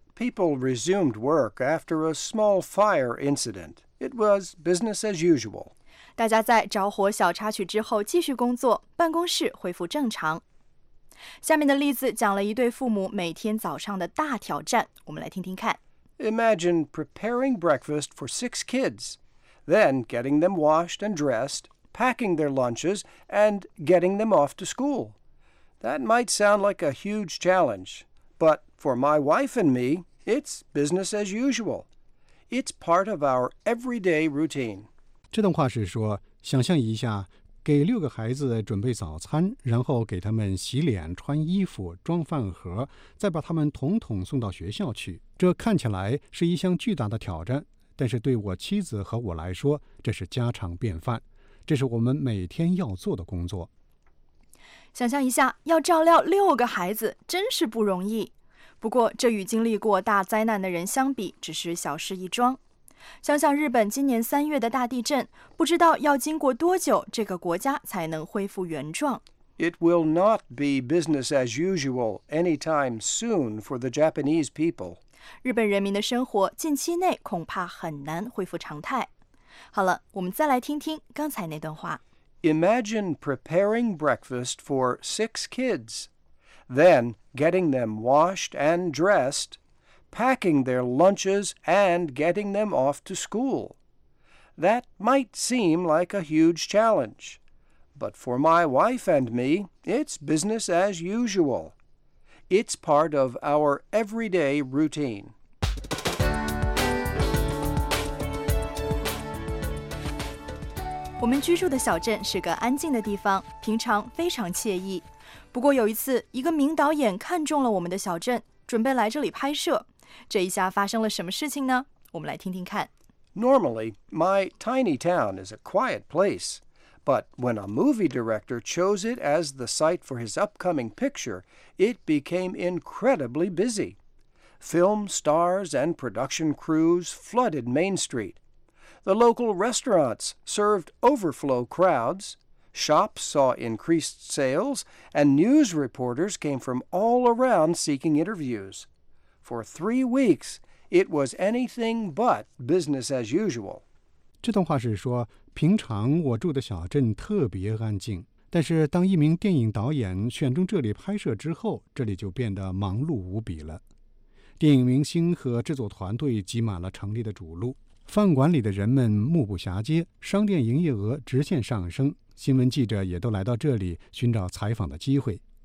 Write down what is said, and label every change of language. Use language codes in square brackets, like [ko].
[en] ，People resumed work after a small fire incident. It was business as usual. [zh] 大家在着火小插曲之后继续工作，办公室恢复正常。下面的例子讲了一对父母每天早上的大挑战，我们来听听看。 [en] Imagine preparing breakfast for 6 kids, then getting them washed and dressed, packing their lunches, and getting them off to school. That might sound like a huge challenge, but for my wife and me, it's business as usual. It's part of our everyday routine. [zh] 这段话是说，想象一下，给六个孩子准备早餐，然后给他们洗脸、穿衣服、装饭盒，再把他们统统送到学校去。这看起来是一项巨大的挑战，但是对我妻子和我来说，这是家常便饭，这是我们每天要做的工作。想象一下，要照料六个孩子，真是不容易。不过，这与经历过大灾难的人相比，只是小事一桩。想想日本今年三月的大地震，不知道要经过多久，这个国家才能恢复原状。 [en] It will not be business as usual anytime soon for the Japanese people. [zh] 日本人民的生活近期内恐怕很难恢复常态。好了，我们再来听听刚才那段话。 [en] Imagine preparing breakfast for 6 kids, then getting them washed and dressed, packing their lunches and getting them off to school. That might seem like a huge challenge, but for my wife and me, it's business as usual. It's part of our everyday routine. [zh] 我们居住的小镇是个安静的地方，平常非常惬意。不过有一次，一个名导演看中了我们的小镇，准备来这里拍摄。这一下发生了什么事情呢？我们来听听看。 [en] Normally, my tiny town is a quiet place, but when a movie director chose it as the site for his upcoming picture, it became incredibly busy. Film stars and production crews flooded Main Street. The local restaurants served overflow crowds, shops saw increased sales, and news reporters came from all around seeking interviews. For 3 weeks, it was anything but business as usual. [zh] 这段话是说，平常我住的小镇特别安静，但是当一名电影导演选中这里拍摄之后，这里就变得忙碌无比了。电影明星和制作团队挤满了城里的主路，饭馆里的人们目不暇接，商店营业额直线上升，新闻记者也都来到这里寻找采访的机会。